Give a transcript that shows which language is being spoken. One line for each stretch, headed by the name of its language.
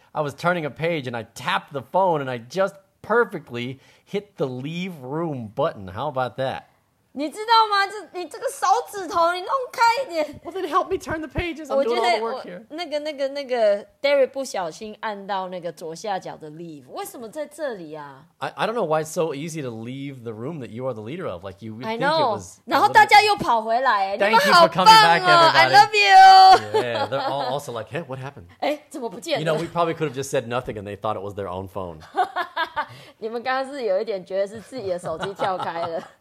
English: I was turning a page and I tapped the phone and I just perfectly hit the leave room button. How about that?
Chinese: 你知道吗? 你这个手指头你弄开一点
English: Well then help me turn the pages. I'm doing all the work here.
Chinese: 那个 Derek 不小心按到那个左下角的leave. 为什么在这里啊?
English: I don't know why it's so easy to leave the room that you are the leader of. Like you would think it was... I know.
Chinese: 然后大家又跑回来.
English: Thank you for coming back, everybody. I love you. Yeah, they're all also like, hey, what happened?
Chinese: 诶,怎么不见了?
English: You know, we probably could have just said nothing and they thought it was their own phone.
Chinese: 你们刚刚是有一点觉得是自己的手机跳开了。